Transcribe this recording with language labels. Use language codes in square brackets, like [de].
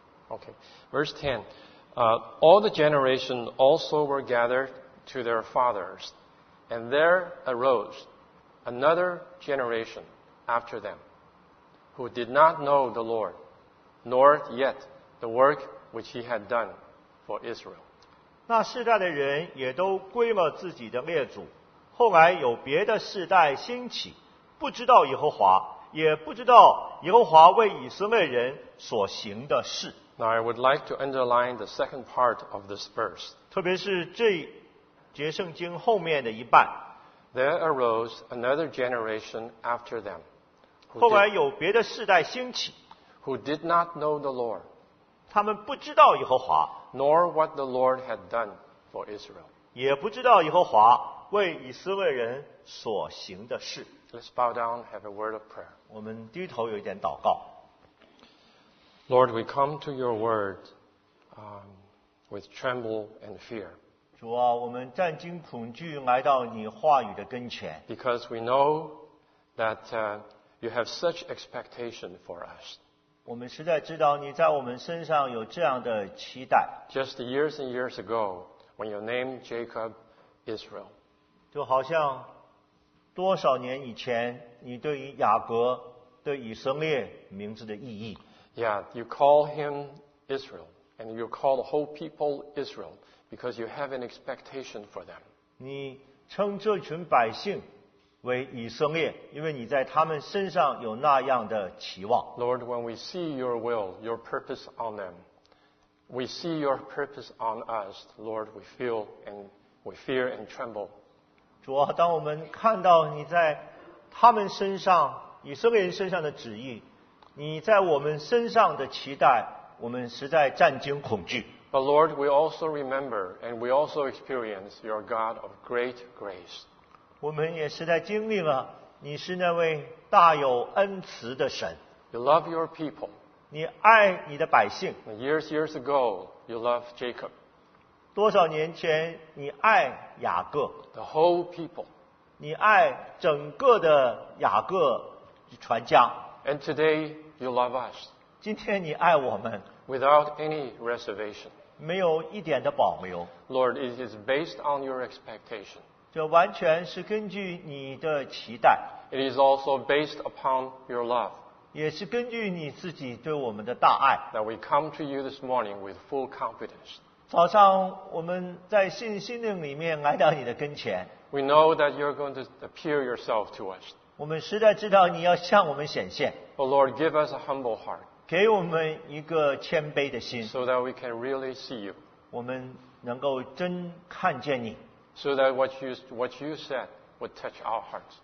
[en] Okay. Verse 10. All the generation also were gathered to their fathers, and there arose another generation after them, who did not know the Lord, nor yet the work which he had done for Israel. [zh] 那世代的人也都归了自己的列祖，后来有别的世代兴起，不知道耶和华，也不知道耶和华为以色列人所行的事。 [en] Now I would like to underline the second part of this verse. [zh] 特别是这节圣经后面的一半。 [en] There arose another generation after them. [zh] 后来有别的世代兴起。 [en] Who did not know the Lord. [zh] 他们不知道耶和华。 [en] Nor what the Lord had done for Israel. [zh] 也不知道耶和华为以色列人所行的事。 [en] Let's bow down, have a word of prayer. [zh] 我们低头有一点祷告。 [en] Lord, we come to your word with tremble and fear. [zh] 主啊，我们战惊恐惧来到你话语的跟前。 [en] Because we know that you have such expectation for us. [zh] 我们实在知道你在我们身上有这样的期待。 [en] Just years and years ago, when you named Jacob Israel. [zh] 就好像多少年以前你对于雅各对以色列名字的意义。 [en] Yeah, you call him Israel, and you call the whole people Israel because you have an expectation for them. [zh] 你称这群百姓为以色列，因为你在他们身上有那样的期望。 [en] Lord, when we see your will, your purpose on them, we see your purpose on us, Lord, we fear and tremble. [zh] 主啊，当我们看到你在他们身上，以色列人身上的旨意，你在我们身上的期待，我们实在战惊恐惧。 [en] But Lord, we also remember and we also experience your God of great grace. [zh] 我们也实在经历了，你是那位大有恩慈的神。 [en] You love your people. [zh] 你爱你的百姓。 [en] Years ago, you love Jacob. [zh] 多少年前，你爱雅各。 [en] The whole people. [zh] 你爱整个的雅各全家。 [en] And today you love us. [zh] 今天你爱我们。 [en] Without any reservation. [zh] 没有一点的保留。 [en] Lord, it is based on your expectation. [zh] 这完全是根据你的期待。 [en] It is also based upon your love. [zh] 也是根据你自己对我们的大爱。 [en] That we come to you this morning with full confidence. [zh] 早上我们在信心灵里面来到你的跟前。 [en] We know that you're going to appear yourself to us. [zh] 我们实在知道你要向我们显现。 [en] But Lord, give us a humble heart. [zh] 给我们一个谦卑的心。 [en] So that we can really see you. [zh] 我们能够真看见你。 [en] So that what you said would touch our hearts.